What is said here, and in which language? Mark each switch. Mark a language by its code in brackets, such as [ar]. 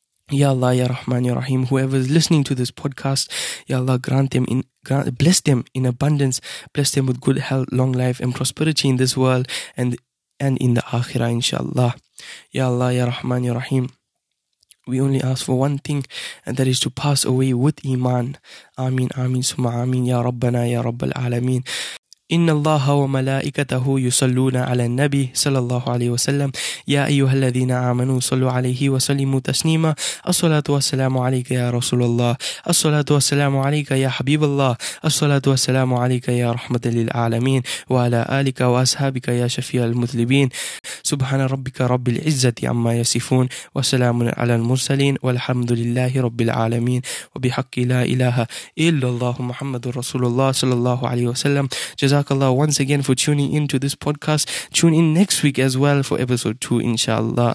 [en] Ya Allah, Ya Rahman, Ya Rahim, whoever is listening to this podcast, Ya Allah, bless them in abundance, bless them with good health, long life and prosperity in this world and in the Akhirah, inshallah. Ya Allah, Ya Rahman, Ya Rahim, we only ask for one thing, and that is to pass away with Iman. Ameen, Ameen, Summa Ameen, Ya Rabbana, Ya Rabbal Alameen. [ar] إن الله وملائكته يصلون على النبي صلى الله عليه وسلم يا أيها الذين آمنوا صلوا عليه وسلموا تسليما الصلاة والسلام عليك يا رسول الله الصلاة والسلام عليك يا حبيب الله الصلاة والسلام عليك يا رحمة للعالمين وعلى آلك وأصحابك يا شفيع المذنبين سبحان ربك رب العزة عما يصفون وسلام على المرسلين والحمد لله رب العالمين وبحق لا إله إلا الله محمد رسول الله صلى الله عليه وسلم [en] JazakAllah once again for tuning in to this podcast. Tune in next week as well for episode 2, inshallah.